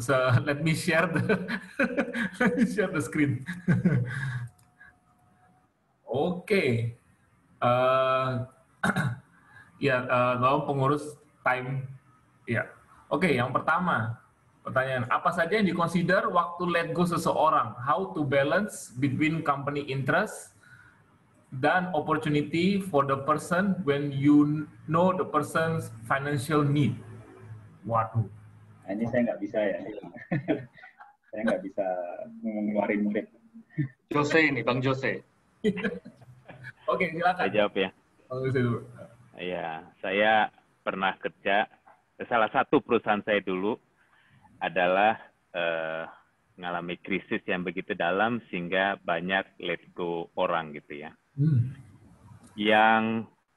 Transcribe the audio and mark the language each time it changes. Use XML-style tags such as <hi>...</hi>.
<en>So, let me share the screen.</en> <id>Kalau pengurus time. Yeah. Okay, yang pertama, pertanyaan. Apa saja yang dikonsider waktu let go seseorang?</id> <en>How to balance between company interest dan opportunity for the person when you know the person's financial need.</en> <id>Waduh. Ini saya nggak bisa ya. Saya nggak bisa ngeluarin murid. Jose ini, Bang Jose. Oke, silakan. Saya jawab ya. Iya, saya pernah kerja, salah satu perusahaan saya dulu adalah mengalami krisis yang begitu dalam sehingga banyak let go orang gitu ya. Yang</id>